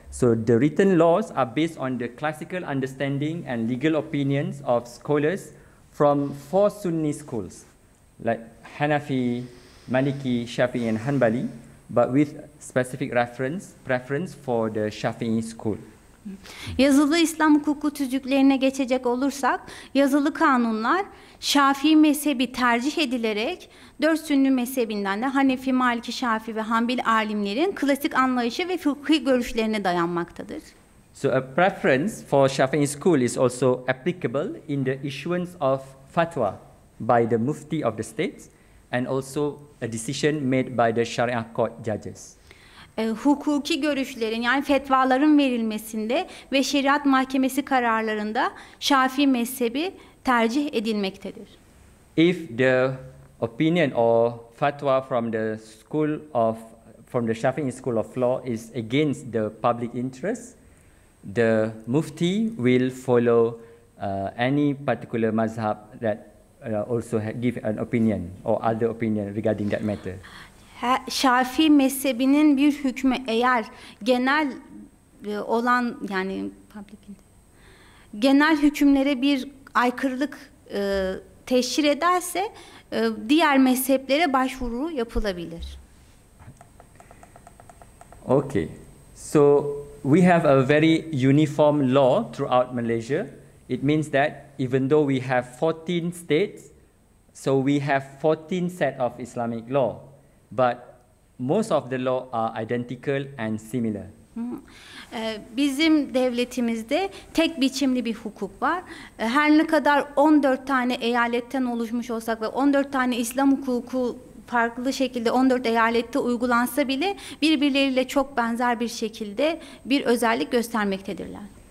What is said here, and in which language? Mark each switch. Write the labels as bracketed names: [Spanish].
[English] So the written laws are based on the classical understanding and legal opinions of scholars from four Sunni schools, like Hanafi, Maliki, Shafi'i, and Hanbali, but with specific preference for the Shafi'i school. [Turkish] Yazılı İslam hukuku tüzüklerine geçecek olursak, yazılı kanunlar Şafii mezhebi tercih edilerek dört sünni mezhebinden de Hanefi, Maliki, Şafii ve Hanbel alimlerin klasik anlayışı ve fıkhi görüşlerine dayanmaktadır. [English] So a preference for Shafi'i school is also applicable in the issuance of fatwa by the mufti of the states and also a decision made by the Sharia court judges. [Turkish] Hukuki görüşlerin yani fetvaların verilmesinde ve şeriat mahkemesi kararlarında Şafii mezhebi tercih edilmektedir. [English] If the opinion or fatwa from the school of from the Shafi'i school of law is against the public interest, the mufti will follow any particular mazhab that also give an opinion or other opinion regarding that matter. [Turkish] Şafii mezhebinin bir hükmü eğer genel olan yani genel hükümlere bir aykırılık teşhir ederse diğer mezheplere başvuru yapılabilir. [English] Okay. So we have a very uniform law throughout Malaysia. It means that even though we have 14 states, so we have 14 set of Islamic law. But most of the law are identical and similar. [Turkish] Bizim devletimizde tek biçimli bir hukuk var. Her ne kadar 14 tane eyaletten oluşmuş olsak ve 14 tane İslam hukuku farklı şekilde 14 eyalette uygulansa bile birbirleriyle çok benzer bir şekilde bir özellik göstermektedirler.